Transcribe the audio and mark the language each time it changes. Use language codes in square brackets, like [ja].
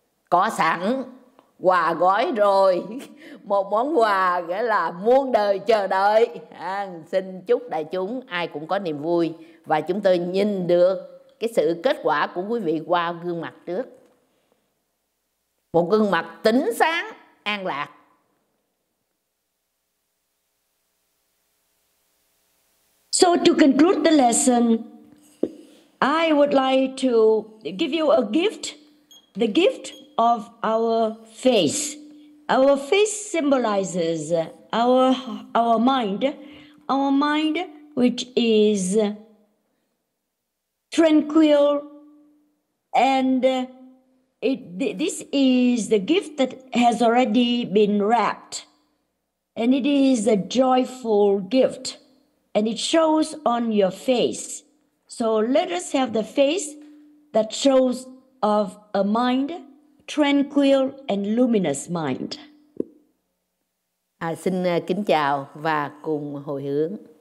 [vi] Có sẵn quà gói rồi, một món quà nghĩa là muôn đời chờ đợi. À, xin chúc đại chúng ai cũng có niềm vui và chúng tôi nhìn được cái sự kết quả của quý vị qua gương mặt trước. Một gương mặt tỉnh sáng, an lạc. [en] So to conclude the lesson, I would like to give you a gift, the gift of our face. Our face symbolizes our mind, which is tranquil, and this is the gift that has already been wrapped, and it is a joyful gift. And it shows on your face. So let us have the face that shows of a mind, tranquil and luminous mind. [vi] À, xin kính chào và cùng hồi hướng.